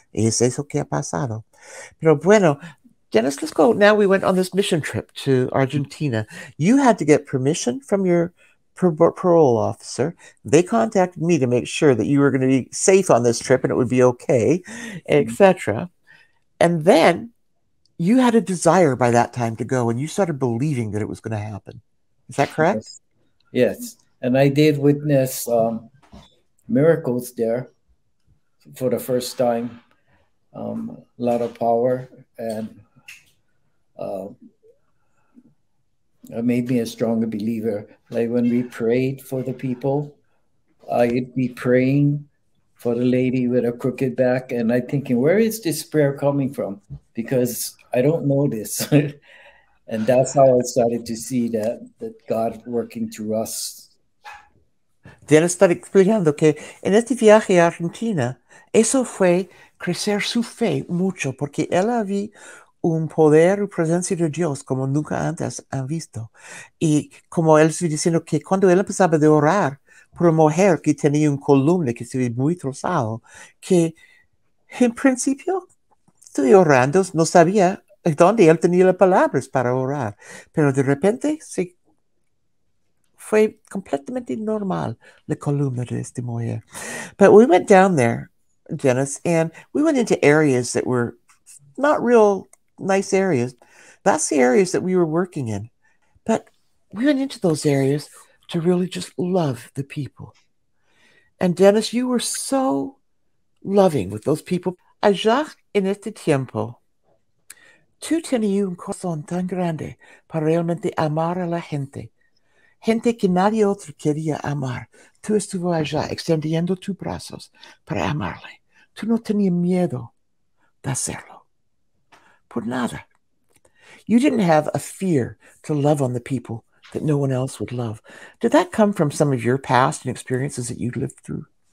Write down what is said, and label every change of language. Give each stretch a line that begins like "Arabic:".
Spanish: Y es eso que ha pasado. Pero bueno, Dennis,
English: let's go. Now we went on this mission trip to Argentina. You had to get permission from your parole officer. They contacted me to make sure that you were going to be safe on this trip and it would be okay, etc. And then you had a desire by that time to go and you started believing that it was going to happen. Is that correct? Yes. And I did witness miracles there for the first time. A lot of power, and it made me a stronger believer. Like when we prayed for the people, I'd be praying for the lady with a crooked back, and I'm thinking, where is this prayer coming from? Because I don't know this. And that's how I started to see that God working through us.
Spanish: Dennis está explicando que en este viaje a Argentina, eso fue crecer su fe mucho, porque él había un poder y presencia de Dios como nunca antes han visto. Y como él estaba diciendo que cuando él empezaba a orar por una mujer que tenía una columna que estaba muy trozada, que en principio estoy orando, no sabía dónde él tenía las palabras para orar, pero de repente se fue completamente normal la columna de esta mujer.
English: But we went down there, Dennis, and we went into areas that were not real nice areas. That's the areas that we were working in. But we went into those areas to really just love the people. And Dennis, you were so loving with those people.
Spanish: Allá en este tiempo, tú tenías un corazón tan grande para realmente amar a la gente. Gente que nadie otro quería amar. Tú estuvo allá extendiendo tus brazos para amarle. Tú no tenías miedo de hacerlo. Por nada.
English: You didn't have a fear to love on the people that no one else would love. Did that come from some of your past and experiences that you lived through?